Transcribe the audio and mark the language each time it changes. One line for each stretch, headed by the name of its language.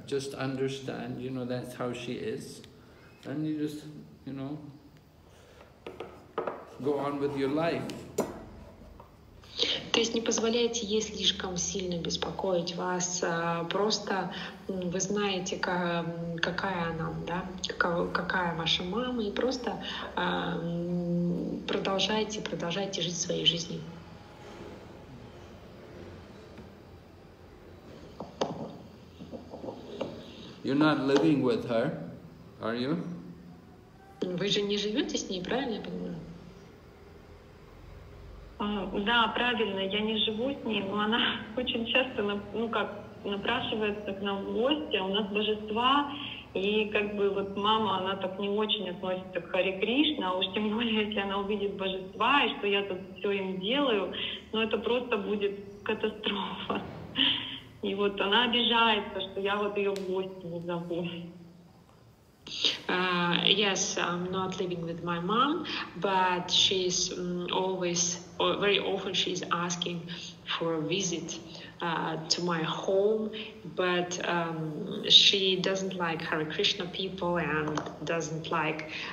English: Just understand, you know, that's how she is. And you just, you know, go on with your life.
Russian: То есть не позволяйте ей слишком сильно беспокоить вас. Просто вы знаете, какая она, да? Какая ваша мама, и просто продолжайте жить своей жизнью.
English: You're not living with her, are you?
Russian: Вы же не живете с ней, правильно я понимаю? Да, правильно, я не живу с ней, но она очень часто напрашивается к нам в гости, у нас божества, и как бы вот мама, она так не очень относится к Харе Кришне, а уж тем более, если она увидит божества, и что я тут все им делаю, ну это просто будет катастрофа. И вот она обижается, что я вот ее в гости не зову.
English: Yes, I'm not living with my mom, but she's always, or very often she's asking for a visit to my home, but she doesn't like Hare Krishna people and doesn't like